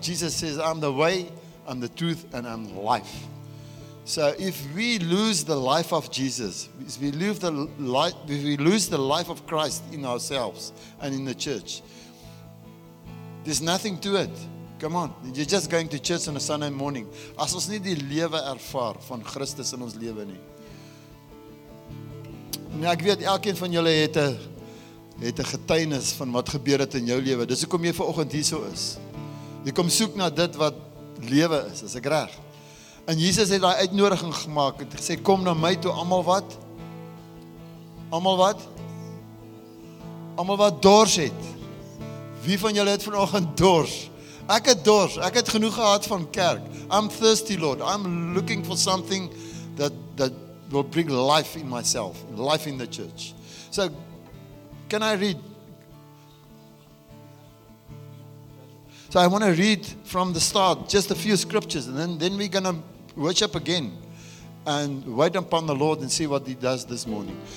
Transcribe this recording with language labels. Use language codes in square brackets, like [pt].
[en] Jesus says, I'm the way, I'm the truth, and I'm life. So if we lose the life of Jesus, if we lose the life of Christ in ourselves and in the church, there's nothing to it. Come on, you're just going to church on a Sunday morning. [af] As ons nie die lewe ervaar van Christus in ons lewe nie. Nou, ek weet elkeen van julle het 'n getuienis van wat gebeur het in jou lewe. Dis hoekom jy vanoggend hierso is. Jy kom soek na dit wat lewe is. Is ek reg? En Jesus het daai uitnodiging gemaak en gesê kom na my toe almal wat? Almal wat? Almal wat dors het. Wie van julle het vanoggend dors? Ek het dors, ek het genoeg gehad van kerk. [en] I'm thirsty, Lord. I'm looking for something that will bring life in myself, life in the church. So, can I read? So I want to read from the start, just a few scriptures, and then we're going to worship again and wait upon the Lord and see what He does this morning.